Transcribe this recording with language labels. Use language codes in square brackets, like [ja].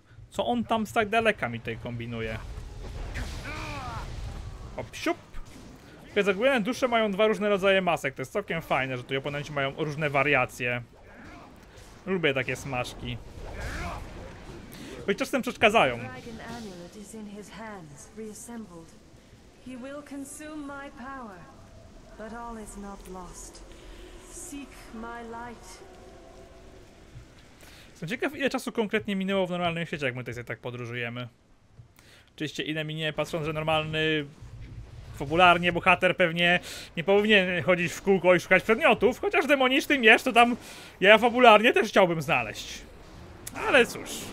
[pl] Co on tam z tak daleka mi tutaj kombinuje? Opsiup! Więc zagubione dusze mają dwa różne rodzaje masek. To jest całkiem fajne, że tu oponenci mają różne wariacje. Lubię takie smaczki. Choć czasem przeszkadzają. [en] In his hands, reassembled. He will consume my power, but all is not lost. Seek my light. [pl] Jestem ciekaw, ile czasu konkretnie minęło w normalnym świecie, jak my tutaj tak podróżujemy. Oczywiście ile minie, patrząc, że normalny, popularnie bohater pewnie nie powinien chodzić w kółko i szukać przedmiotów, chociaż demoniczny miecz to tam ja popularnie też chciałbym znaleźć. Ale cóż.